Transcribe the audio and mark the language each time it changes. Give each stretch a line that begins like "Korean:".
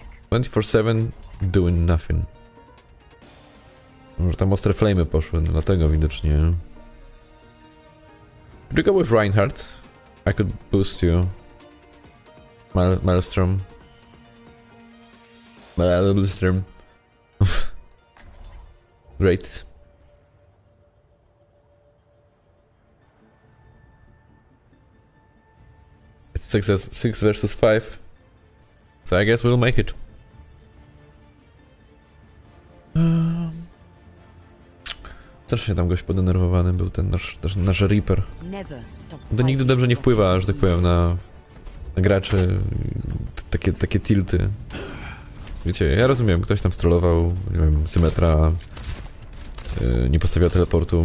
English: 24-7, doing nothing.
Polish: Może tam ostre flamy poszły, no dlatego widocznie.
English: Could you go with Reinhardt? I could boost you. Maelstrom. Maelstrom. Great. It's 6 versus 5. So I guess we'll make it.
Polish: Strasznie tam gość podenerwowany był ten nasz Reaper. To nigdy dobrze nie wpływa, że tak powiem, na graczy takie tilty. Wiecie, ja rozumiem, ktoś tam strollował, nie wiem, Symetra nie postawiła teleportu.